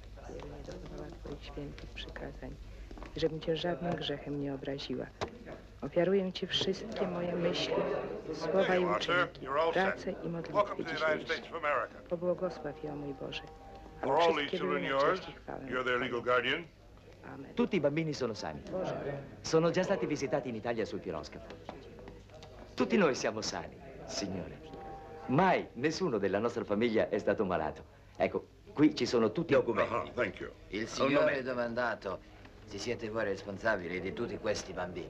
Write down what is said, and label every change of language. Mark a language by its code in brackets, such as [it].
[pl] Nie dozwolę twoich świętych przykazań, żebym cię żadnym grzechem nie obraziła. Ofiaruję ci wszystkie moje myśli, słowa i uczynki, pracę i modlitwy dzisiejsze. Pobłogosław ją, mój Boże. [en] For all these children yours, you're their legal guardian. [it] Amen. Tutti i bambini sono sani. Sono già stati visitati in Italia sul piroscafo. Tutti noi siamo sani, signore. Mai nessuno della nostra famiglia è stato malato. Ecco, qui ci sono tutti i documenti. [en] Thank you. [it] Il signore ha domandato se siete voi responsabili di tutti questi bambini.